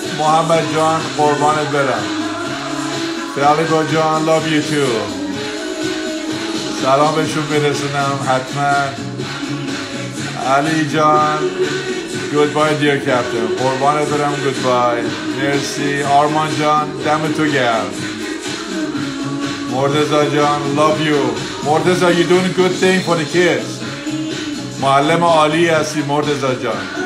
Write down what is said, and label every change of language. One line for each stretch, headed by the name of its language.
Persian: محمد جان قربانت برم. فعلی با جان
English: love you too،
Persian: سلام بهشون برسونم حتما. علی جان
English: Goodbye, dear captain.
Persian: قربانت برم.
English: Goodbye.
Persian: مرسی. آرمان جان دمت گرم.
English: Morteza جان love you. Morteza you doing good thing for the kids.
Persian: معلم عالی هستی مرتضا جان.